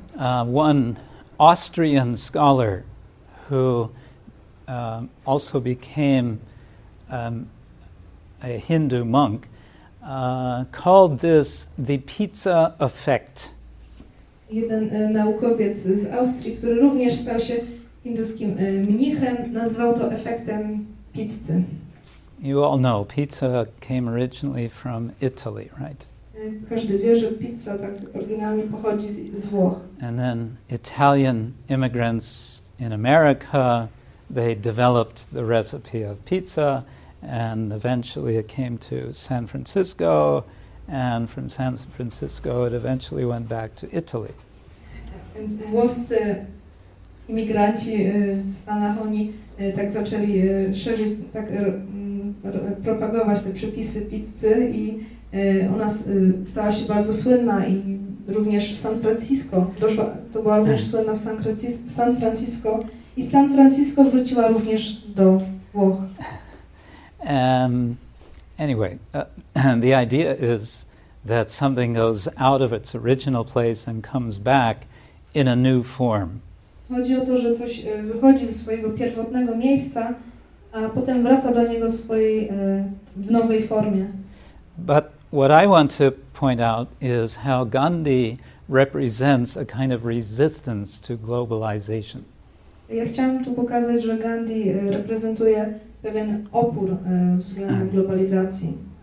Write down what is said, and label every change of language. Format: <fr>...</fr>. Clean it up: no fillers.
<en>One Austrian scholar who also became a Hindu monk called this the pizza effect.</en> <pl>Jeden naukowiec z Austrii, który również stał się hinduskim mnichem, nazwał to efektem pizzy.</pl> <en>You all know pizza came originally from Italy, right?</en> <pl>Każdy wie, że pizza tak oryginalnie pochodzi z Włoch.</pl> <en>And then Italian immigrants in America, they developed the recipe of pizza, and eventually it came to San Francisco, and from San Francisco it eventually went back to Italy.</en> <pl>And Włoscy imigranci w Stanach oni tak zaczęli szerzyć, tak propagować te przepisy pizzy i ona stała się bardzo słynna i również w San Francisco. Doszła, to była również słynna w San Francisco i San Francisco wróciła również do Włoch.</pl> <en>The idea is that something goes out of its original place and comes back in a new form.</en> <pl>Chodzi o to, że coś wychodzi ze swojego pierwotnego miejsca, a potem wraca do niego w swojej w nowej formie.</pl> <en>But what I want to point out is how Gandhi represents a kind of resistance to globalization.</en> <pl>Ja chciałam tu pokazać, że Gandhi reprezentuje pewien opór względem globalizacji.</pl>